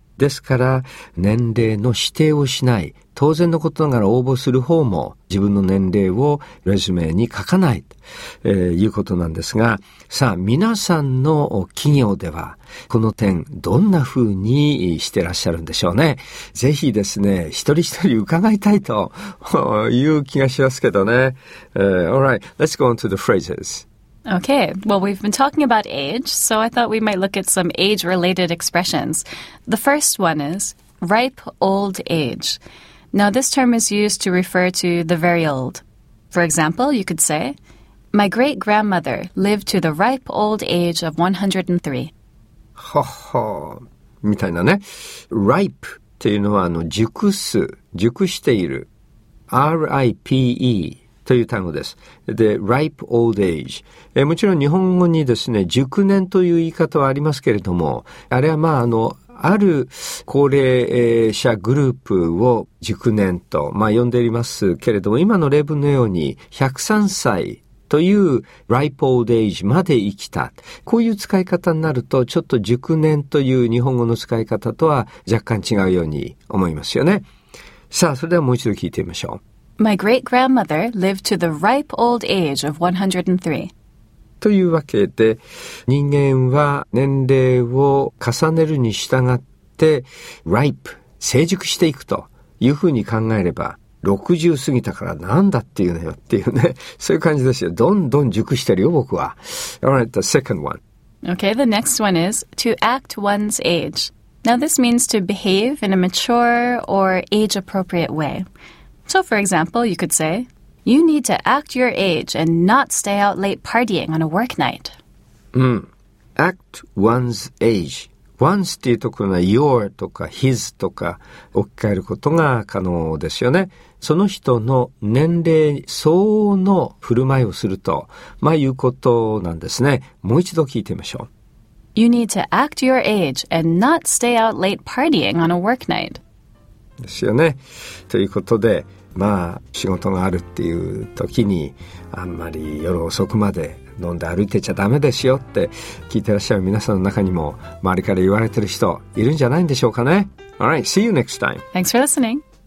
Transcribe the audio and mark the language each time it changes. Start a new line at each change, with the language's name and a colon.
Japanese: ですから年齢の指定をしない、当然のことながら応募する方も自分の年齢をレジュメに書かないということなんですが、さあ皆さんの企業ではこの点どんな風にしてらっしゃるんでしょうね。ぜひですね、一人一人伺いたいという気がしますけどね。
English: Alright, let's go on to the phrases. Okay, well, we've been talking about age, so I thought we might look at some age-related expressions. The first one is ripe old age. Now, this term is used to refer to the very old. For example, you could say, My great-grandmother lived to the ripe old age of 103.
Japanese: ほほ、みたいなね。ripe というのは、熟す、熟している。 R-I-P-E. という単語です。で、ripe old age。もちろん日本語にですね、熟年という言い方はありますけれども、あれはまあ、ある高齢者グループを熟年と、まあ、呼んでおりますけれども、今の例文のように、103歳という ripe old age まで生きた。こういう使い方になると、ちょっと熟年という日本語の使い方とは若干違うように思いますよね。さあ、それではもう一度聞いてみましょう。
English: My great-grandmother lived to the ripe old age of 103.
Japanese: というわけで、人間は年齢を重ねるに従って、ripe、成熟していくというふうに考えれば、60過ぎたからなんだっていうのよっていうね、そういう感じですよ。どんどん熟してるよ、僕は。
English: Alright, the second one. Okay, the next one is to act one's age. Now this means to behave in a mature or age-appropriate way. So, for example, you could say, You need to act your age and not stay out late partying on a work night. Act one's age.
Japanese: One's っていうところは your とか his とか置き換えることが可能ですよね。その人の年齢相応の振る舞いをすると、まあいうことなんですね。もう一度聞いてみましょう。
English: You need to act your age and not stay out late partying on a work night.
Japanese: ですよね。ということで、まあ仕事があるっていう時にあんまり夜遅くまで飲んで歩いてちゃダメですよって聞いてらっしゃる皆さんの中にも周りから言われてる人いるんじゃないんでしょうかね。
English: Alright, see you next time. Thanks for listening.